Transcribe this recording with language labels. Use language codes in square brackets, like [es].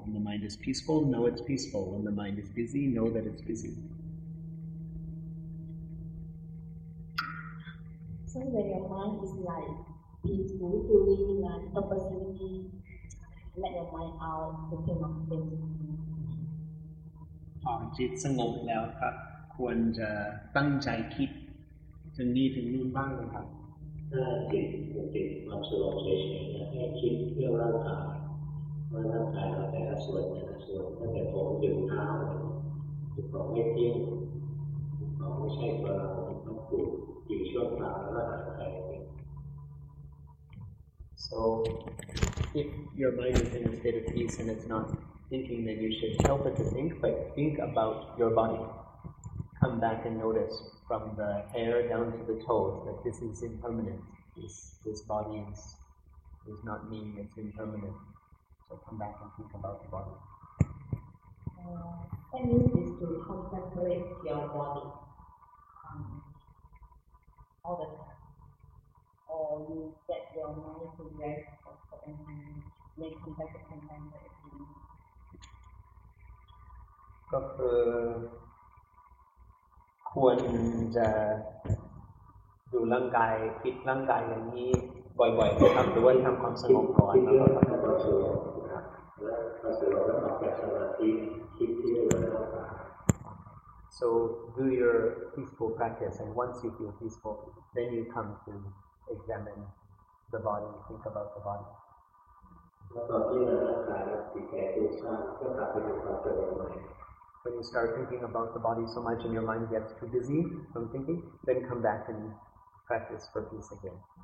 [en] When the mind is peaceful, know it's peaceful. When the mind is busy, know that it's busy. So when your mind is like peaceful, feeling like opportunity, let your mind out, looking at things. [th] พอจิตสงบแล้วครับควรจะตั้งใจคิดถึงนี้ถึงนู่นบ้างนะครับ ถ้าจิตติดความสงบเฉยๆแค่คิดเรื่องร่างกายว่าร่างกายเราแต่ละส่วนแต่ละส่วนตั้งแต่ผมถึงเท้าถึงของไม่เที่ยงของไม่ใช่ตัวเราต้องปลุกอยู่ช่วงเท้าแล้วก็หายไป [en] so if your mind is in a state of peace and it's notthinking, then you should help it to think, but think about your body. Come back and notice from the hair down to the toes that this is impermanent. This body is not me, it's impermanent. So come back and think about the body. That means is to contemplate your body all the time. Or you get your mind to rest and make some better contentment if you need. [th] ก็คือควรจะดูร่างกายคิดร่างกายอย่างนี้บ่อยๆครับหรือว่าทำความสงบก่อนแล้วก็ทำความสงบ ครับ แล้ว พอ เสร็จแล้วก็ออกจากสมาธิคิดที่เรื่องนั้นก็ [en] so do your peaceful practice and once you feel peaceful then you come to examine the body think about the bodyWhen you start thinking about the body so much and your mind gets too busy from thinking, then come back and practice for peace again.